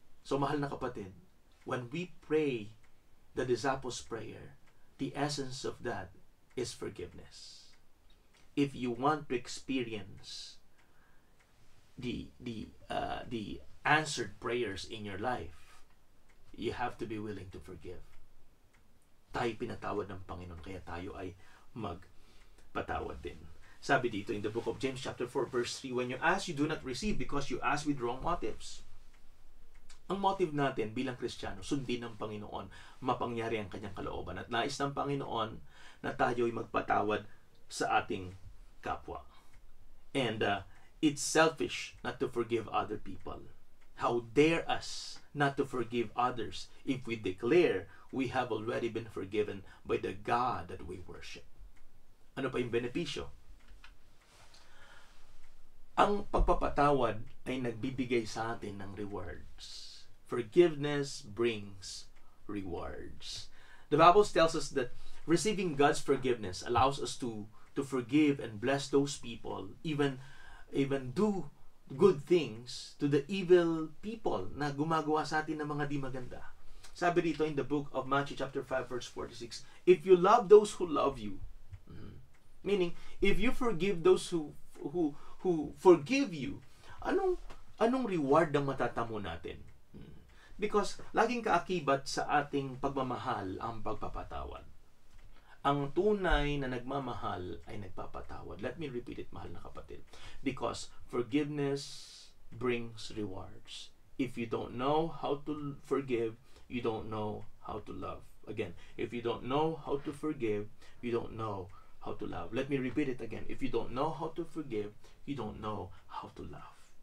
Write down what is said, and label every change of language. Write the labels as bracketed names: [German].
[English] So [Filipino] mahal na kapatid, [English] when we pray the disciples' prayer, the essence of that is forgiveness. If you want to experience the answered prayers in your life, you have to be willing to forgive. [Filipino] Tayo pinatawad ng Panginoon, kaya tayo ay magpatawad din. Sabi dito [English] in the book of James chapter 4 verse 3, when you ask, you do not receive because you ask with wrong motives. [Filipino] Ang motive natin bilang Kristiyano, sundin ng Panginoon, mapangyari ang kanyang kalooban. At nais ng Panginoon na tayo'y magpatawad sa ating kapwa. [English] And it's selfish not to forgive other people. How dare us not to forgive others if we declare we have already been forgiven by the God that we worship. [Filipino] Ano pa yung benepisyo? Ang pagpapatawad ay nagbibigay sa atin ng rewards. [English] Forgiveness brings rewards. The Bible tells us that receiving God's forgiveness allows us to forgive and bless those people, even do good things to the evil people [Filipino] na gumagawa sa atin ng mga di maganda. [English] Sabi dito in the book of Matthew chapter 5 verse 46, if you love those who love you, meaning if you forgive those who forgive you, [Filipino] anong reward ang matatamo natin? [English] Because [Filipino] laging kaakibat sa ating pagmamahal ang pagpapatawad. Ang tunay na nagmamahal ay nagpapatawad. [English] Let me repeat it, [Filipino] mahal na kapatid. [English] Because forgiveness brings rewards. If you don't know how to forgive, you don't know how to love. Again, if you don't know how to forgive, you don't know how to love. Let me repeat it again. If you don't know how to forgive, you don't know how to love.